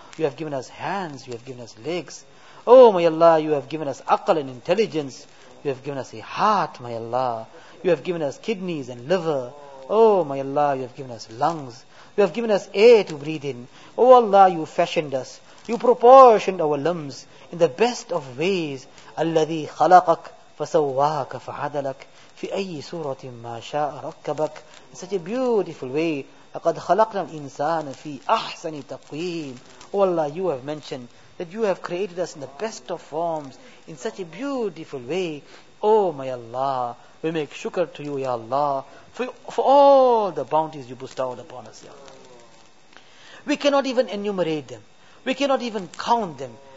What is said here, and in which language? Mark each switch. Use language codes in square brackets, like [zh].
[en] You have given us hands, you have given us legs. Oh, my Allah, you have given us aqal and intelligence. You have given us a heart, my Allah. You have given us kidneys and liver. Oh, my Allah, you have given us lungs. You have given us air to breathe in. Oh, Allah, you fashioned us. You proportioned our limbs in the best of ways. [ar] الَّذِي خَلَقَكْ فَسَوَّاكَ فَعَدَلَكْ فِي أَيِّ سُورَةٍ مَا شَاءَ رَكَّبَكْ [en] In such a beautiful way. [ar] لقد خلقنا الإنسان في أحسن تقويم. [en] Oh Allah, you have mentioned that you have created us in the best of forms, in such a beautiful way. Oh my Allah, we make shukr to you, Ya Allah, for all the bounties you bestowed upon us, Ya Allah. We cannot even enumerate them. We cannot even count them.